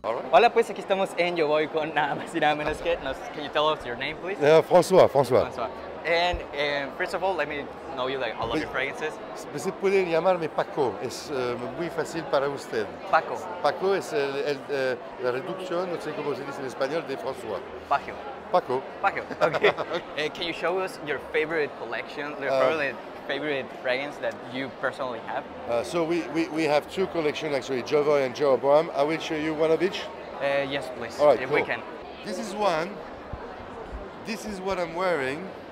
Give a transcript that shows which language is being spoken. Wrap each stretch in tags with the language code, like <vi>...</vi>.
<es>Hola, pues aquí estamos en JOVOY con nada más y nada menos que nos.</es> <en>Can you tell us your name, please? François. And first of all, let me know you, like, all of your fragrances.</en> <es>Se puede llamarme Paco, es muy fácil para usted. Paco. Paco es la reducción, no sé cómo se dice en español, de François. Paco. Paco.</es> <en>Paco, okay. Can you show us your favorite collection, probably favorite fragrance that you personally have? So we have two collections, actually, JOVOY and JOBOAM. I will show you one of each. Yes, please, all right, if cool. We can. This is one. This is what I'm wearing.</en>